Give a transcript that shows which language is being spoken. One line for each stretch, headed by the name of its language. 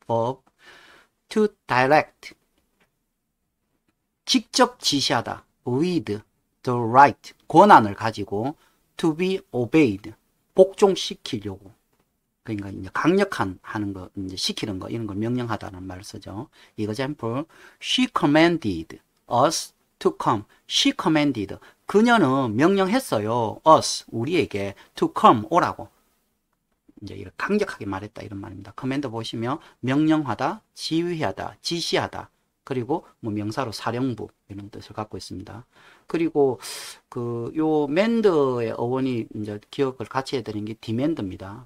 English: Verb to direct
Korean: 직접 지시하다
English: with the right
Korean: 권한을 가지고
English: to be obeyed
Korean: 복종시키려고 그러니까 이제 강력한 하는 거 이제 시키는 거 이런 걸 명령하다는 말을 쓰죠.
English: Example, she commanded us to come. She commanded
Korean: 그녀는 명령했어요. us 우리에게
English: to come
Korean: 오라고. 이제 이렇게 강력하게 말했다 이런 말입니다. 커맨드 보시면 명령하다, 지휘하다, 지시하다. 그리고 뭐 명사로 사령부 이런 뜻을 갖고 있습니다. 그리고 그요 맨드의 어원이 이제 기억을 같이 해드린 게 디맨드입니다.